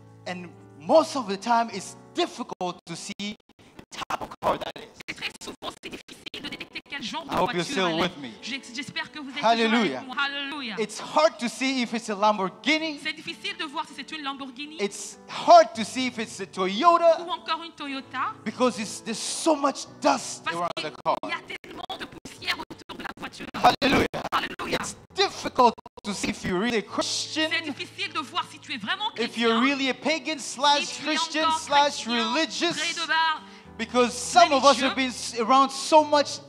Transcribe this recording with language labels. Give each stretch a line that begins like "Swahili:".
English: And most of the time, it's difficult to see the type of car that is.
French: C'est très souvent, c'est difficile de détecter quel genre
English: I
French: de voiture.
English: I hope you're still with me.
French: J'espère que vous êtes
English: Hallelujah.
French: Avec moi. Hallelujah.
English: It's hard to see if it's a Lamborghini.
French: C'est difficile de voir si c'est une Lamborghini.
English: It's hard to see if it's a Toyota.
French: Ou encore une Toyota.
English: Because there's so much dust
French: parce
English: around the car.
French: Y a tellement de poussière autour de la voiture.
English: Hallelujah.
French: Hallelujah.
English: It's difficult to see if you're really a Christian.
French: C'est difficile de voir si tu es vraiment chrétien.
English: If you're really a pagan slash Christian slash religious. Because some of us have been around so much dust.